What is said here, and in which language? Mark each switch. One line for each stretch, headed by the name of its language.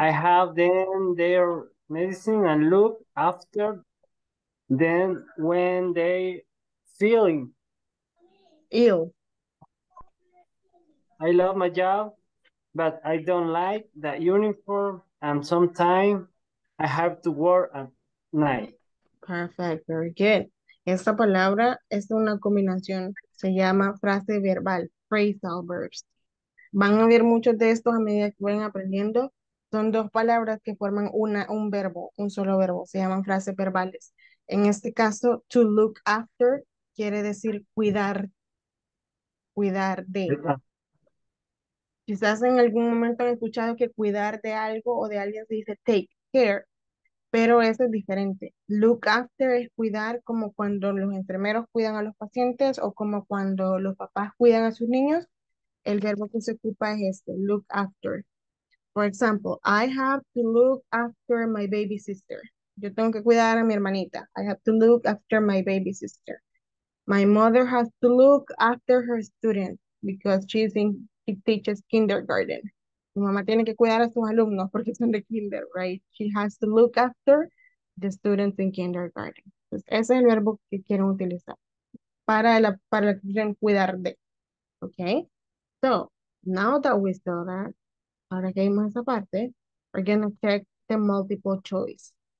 English: I have them their medicine and look after them when they feeling ill. I love my job, but I don't like the uniform, and sometimes I have to work at night. Perfect, very good.
Spanish: Esta palabra es una combinación, se llama frase verbal, phrasal verbs. Van a ver muchos de estos a medida que van aprendiendo. Son dos palabras que forman un verbo, un solo verbo, se llaman frases verbales. En este caso, to look after quiere decir cuidar de. Quizás en algún momento han escuchado que cuidar de algo o de alguien se dice take care, pero eso es diferente. Look after es cuidar como cuando los enfermeros cuidan a los pacientes o como cuando los papás cuidan a sus niños. El verbo que se ocupa es este, look after.
English: For example, I have to look after my baby sister.
Spanish: Yo tengo que cuidar a mi hermanita.
English: I have to look after my baby sister. My mother has to look after her students because she teaches kindergarten.
Spanish: Mi mamá tiene que cuidar a sus alumnos porque son de kinder, right?
English: She has to look after the students in kindergarten.
Spanish: Entonces, ese es el verbo que quieren utilizar para la expresión cuidar de.
English: Okay? So, now that we saw that,
Spanish: ahora que vimos esa parte,
English: we're going to check the multiple choice.